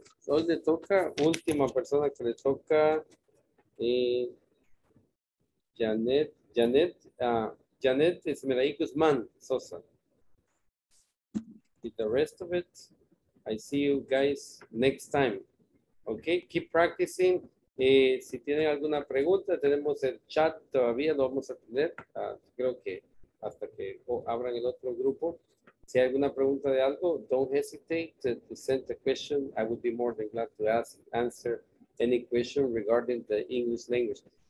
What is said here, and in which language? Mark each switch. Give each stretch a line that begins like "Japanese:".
Spanish: Hoy le toca, última persona que le toca, Janet Esmeraí Guzmán Sosa.
English: With the rest of it, I see you guys next time. Okay, keep practicing.
Spanish: Si tienen alguna pregunta, tenemos el chat todavía, lo vamos a tener. Creo que hasta que abran el otro grupo. Si hay alguna pregunta de algo,
English: don't hesitate to send a question. I would be more than glad to answer any question regarding the English language.